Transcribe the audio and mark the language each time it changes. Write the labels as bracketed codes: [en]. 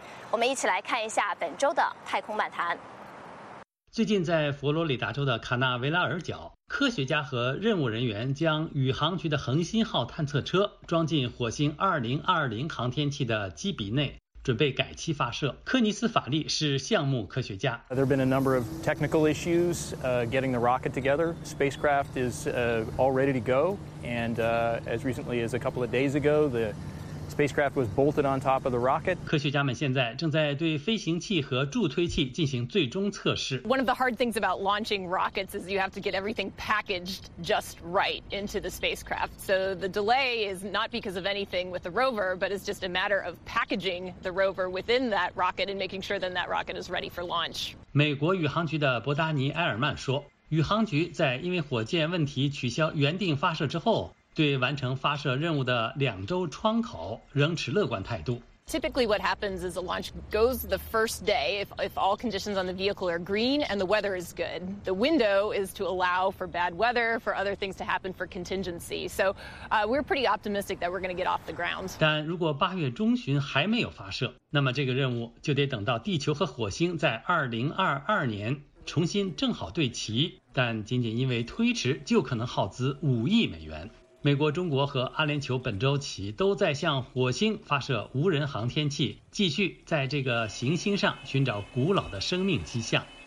[zh] 我们一起来看一下本周的太空漫谈。最近在佛罗里达州的卡纳维拉尔角，科学家和任务人员将宇航局的恒星号探测车装进火星2020航天器的机鼻内，准备改期发射。科尼斯·法利是项目科学家。 [en] There have been a number of technical issues, getting the rocket together. Spacecraft is, all ready to go. And, as recently as a couple of days ago, the spacecraft was bolted on top of the rocket. [zh] 科学家们现在正在对飞行器和助推器进行最终测试。 [en] One of the hard things about launching rockets is you have to get everything packaged just right into the spacecraft. So the delay is not because of anything with the rover, but it's just a matter of packaging the rover within that rocket and making sure then that rocket is ready for launch. [zh] 美国宇航局的伯达尼·埃尔曼说，宇航局在因为火箭问题取消原定发射之后，对完成发射任务的两周窗口仍持乐观态度。 [en] Typically what happens is the launch goes the first day if all conditions on the vehicle are green and the weather is good. The window is to allow for bad weather, for other things to happen, for contingency. So, we're pretty optimistic that we're going to get off the ground. [zh] 但如果八月中旬还没有发射，那么这个任务就得等到地球和火星在2022年重新正好对齐。但仅仅因为推迟就可能耗资5亿美元。美国、中国和阿联酋本周起都在向火星发射无人航天器，继续在这个行星上寻找古老的生命迹象。